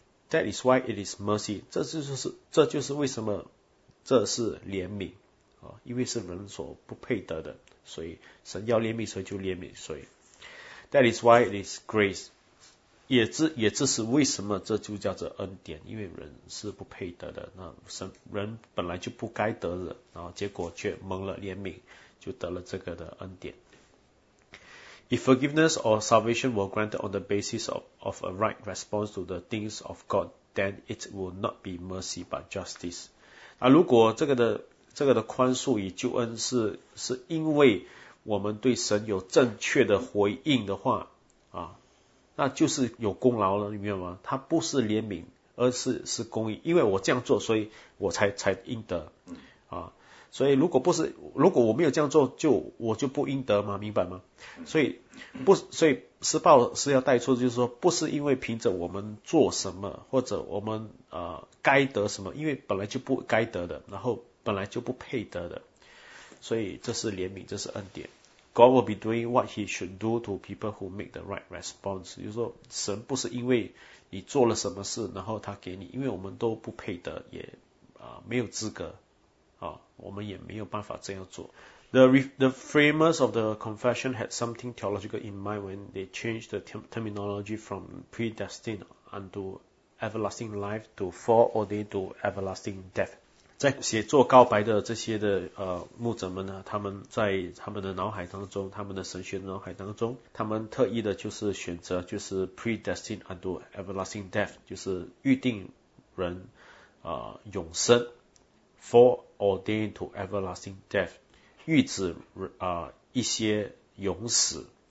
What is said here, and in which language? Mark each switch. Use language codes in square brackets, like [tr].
[en] That is why it is mercy， [zh] 这就是为什么这是怜悯啊，因为是人所不配得的，所以神要怜悯谁就怜悯谁。 [en] That is why it is grace。 [zh] 也这是为什么这就叫做恩典，因为人是不配得的，那神人本来就不该得的，然后结果却蒙了怜悯，就得了这个的恩典。 [en] If forgiveness or salvation were granted on the basis of a right response to the things of God, then it will not be mercy but justice。 [zh] 啊，如果这个的宽恕与救恩是因为我们对神有正确的回应的话，啊。那就是有功劳了，你明白吗？他不是怜悯，而是公义，因为我这样做，所以我才应得，啊，所以如果我没有这样做，我就不应得嘛，明白吗？所以施暴是要带出，就是说不是因为凭着我们做什么或者我们该得什么，因为本来就不该得的，然后本来就不配得的，所以这是怜悯，这是恩典。 [en] God will be doing what he should do to people who make the right response. [zh] 就是说神不是因为你做了什么事然后他给你，因为我们都不配得，也没有资格，我们也没有办法这样做。 [en] The framers of the confession had something theological in mind when they changed the terminology from predestined unto everlasting life to foreordained to everlasting death. [zh] 在写作告白的这些的牧者们呢，他们在他们的脑海当中，他们的神学脑海当中，他们特意的就是选择就是 [en] predestined unto everlasting death， [zh] 就是预定人永生 [en] foreordained to everlasting death， [zh] 预指一些永死